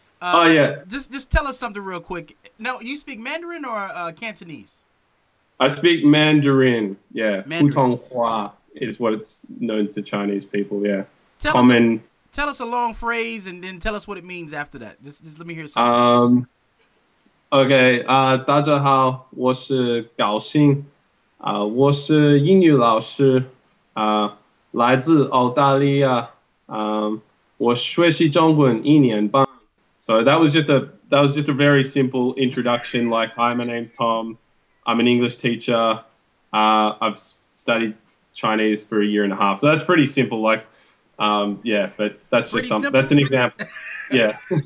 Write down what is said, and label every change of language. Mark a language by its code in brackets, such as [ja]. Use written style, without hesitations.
[en] Just tell us something real quick. Now, you speak Mandarin or Cantonese? I speak Mandarin. Yeah. Mandarin. Putonghua is what it's known to Chinese people. Yeah. Tell us a long phrase and then tell us what it means after that. Just let me hear something. [zh] Okay, 大家好，我是高兴，我是英语老师，来自澳大利亚，我学习中文一年半。 [en] So that was just a very simple introduction. Like, hi, my name's Tom, I'm an English teacher, I've studied Chinese for a year and a half. So that's pretty simple. Like, yeah, but that's just something. That's an example. Yeah.